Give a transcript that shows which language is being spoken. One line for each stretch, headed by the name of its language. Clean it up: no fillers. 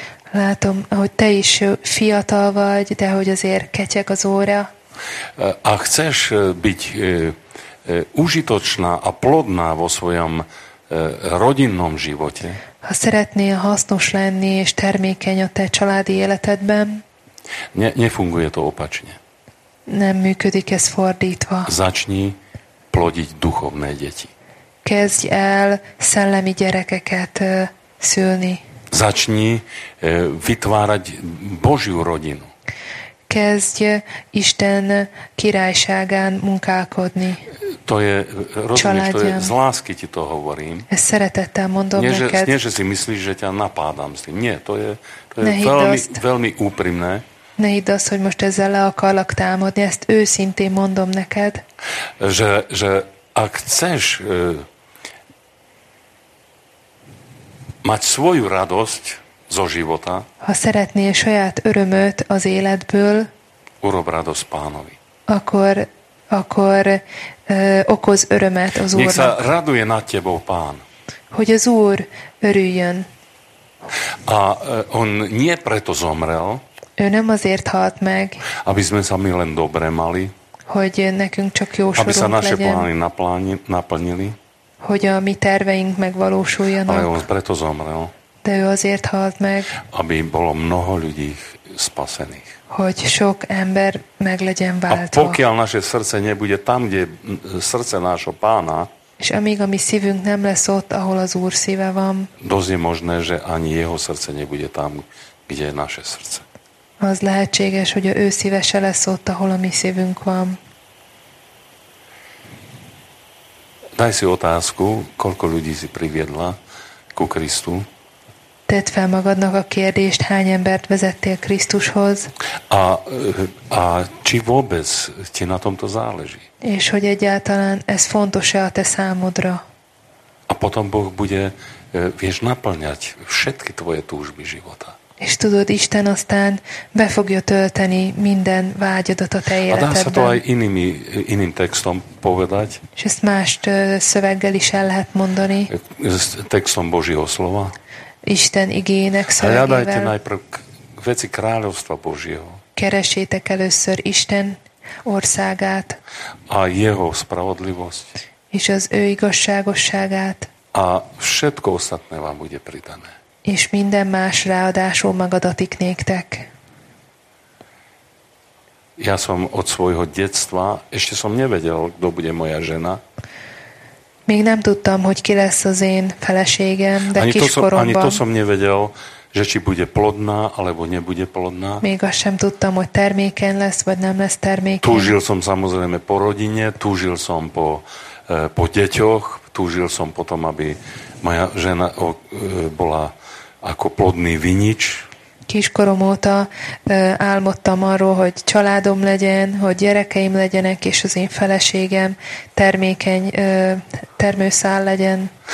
Hungarian: látom, hogy te is fiatal vagy, de hogy azért ketyeg az óra.
Slovak: A chceš byť užitočná a plodná vo svojom rodinnom živote,
Hungarian: ha szeretnél hasznos lenni és termékeny a te családi életedben,
Slovak: nefunguje to opačne.
Hungarian: Nem működik ez fordítva.
Slovak: Začni plodiť duchovné deti.
Hungarian: Kezdj el szellemi gyerekeket szülni.
Slovak: Začni vytvárať Božiu rodinu.
Hungarian: Kezdj Isten királyságán munkálkodni.
Slovak: To je, rozumieš, to je, z lásky ti to hovorím.
Hungarian: Ezt szeretettel mondom neked.
Slovak: Nie, že si myslíš, že ťa napádám s tým. Nie, to je veľmi, veľmi úprimné.
Hungarian: Ne hidd azt, hogy most ezzel le akarlak támadni. Ezt őszintén mondom neked.
Slovak: Že ak chceš mať svoju radosť zo života,
Hungarian: ha szeretnél saját örömöt az életből,
Slovak: urob radosť Pánovi.
Hungarian: Akkor okoz örömet az Úrnak.
Slovak: Nech sa raduje nad tebou Pán.
Hungarian: Hogy az Úr örüljön.
Slovak: A on nie preto zomrel,
Hungarian: ő nem azért halt meg,
Slovak: aby sme sa my len dobre mali,
Hungarian: hogy nekünk csak jó sorunk legyen,
Slovak: aby sa naše
Hungarian: legyen,
Slovak: plány naplnili,
Hungarian: hogy a mi terveink megvalósuljanak.
Slovak: Ale on preto zomrel.
Hungarian: De ő azért halt meg,
Slovak: aby bolo mnoho ľudí spasených.
Hungarian: Hogy sok ember meg legyen váltva.
Slovak: A pokiaľ naše srdce nebude tam, kde srdce nášho Pána,
Hungarian: és amíg a mi szívünk nem lesz ott, ahol az Úr szíve van,
Slovak: dosť je možné, že ani jeho srdce nebude tam, kde je naše srdce.
Hungarian: Az lehetséges, hogy a ő szíve se lesz ott, ahol a mi szívünk van.
Slovak: Daj si otázku, koľko ľudí si priviedla ku Kristu.
Hungarian: Tedd fel magadnak a kérdést, hány embert vezettél Krisztushoz.
Slovak: A či vôbec ti na tomto záleží?
Hungarian: És hogy egyáltalán ez fontos-e a te számodra?
Slovak: A potom Boh bude, vieš, naplňať všetky tvoje túžby života.
Hungarian: És tudod, Isten aztán be fogja tölteni minden vágyadat a te életedben.
Slovak: A dá sa to aj iným textom povedať.
Hungarian: És ezt más szöveggel is el lehet mondani.
Slovak: Textom Božího slova.
Hungarian: Isten igének szövegével.
Slovak: Hľadajte najprv veci kráľovstva Božieho.
Hungarian: Keresétek először Isten országát.
Slovak: A jeho spravodlivosť.
Hungarian: És az ő igazságosságát.
Slovak: A všetko ostatné vám bude pridané.
Hungarian: És minden más ráadásul magadatik néktek.
Slovak: Ja som od svojho detstva, ešte som nevedel, kto bude moja žena.
Hungarian: Még nem tudtam, hogy ki lesz az én feleségem, de kiskoromban.
Slovak: Ani to som nevedel, že či bude plodná, alebo nebude plodná.
Hungarian: Még azt sem tudtam, hogy terméken lesz, vagy nem lesz terméken.
Slovak: Túžil som samozrejme po rodine, túžil som po deťoch, túžil som potom, aby moja žena bola ako plodný vinič.
Hungarian: kiskorom óta álmodtam arról, hogy családom legyen, hogy gyerekeim legyenek, és az én feleségem termékeny termőszál legyen.